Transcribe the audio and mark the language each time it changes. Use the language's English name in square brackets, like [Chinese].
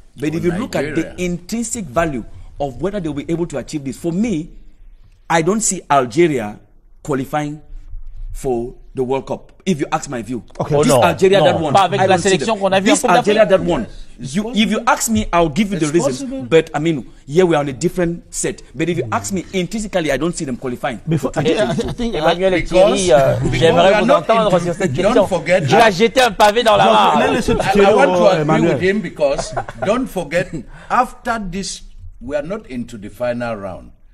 [English] But if you look at the intrinsic value of whether they'll be able to achieve this, for me, I don't see Algeria qualifying for the World Cup. If you ask my view, Algeria that won. [French] Pas avec la sélection qu'on a vu. [English] This Algeria that won. If you ask me, I'll give you the reason. But I mean, we are on a different set. But if you ask me intrinsically, I don't see them qualifying. [French] Emmanuel et Thierry, j'aimerais vous entendre sur cette question. [English] Don't forget. [French] Tu as jeté un pavé dans la mare. [English] I want to agree with him because don't forget. After this, we are not into the final round.